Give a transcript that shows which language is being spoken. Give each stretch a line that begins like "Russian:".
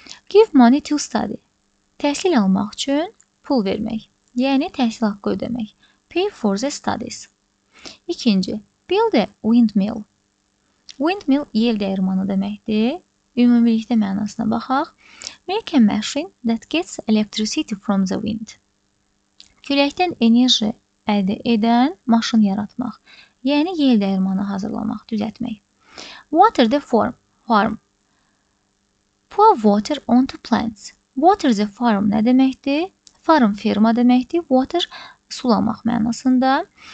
English: Give money to study.
Azerbaijani: Təhsil almaq üçün pul vermək. Yəni təhsil haqqı ödəmək.
English: Pay for the studies.
Azerbaijani: İkinci,
English: build a windmill.
Azerbaijani: Windmill yel dəyirmanı deməkdir. Ümumilikdə mənasına baxaq.
English: Make a machine that gets electricity from the wind.
Azerbaijani: Küləkdən enerji əldə edən maşın yaratmaq. Yəni yel dəyirmanı hazırlamaq, düzəltmək.
English: Water the farm. Pour water onto plants. Water the farm
Azerbaijani: nə deməkdir? Farm firma deməkdir. Water sulamaq mənasında.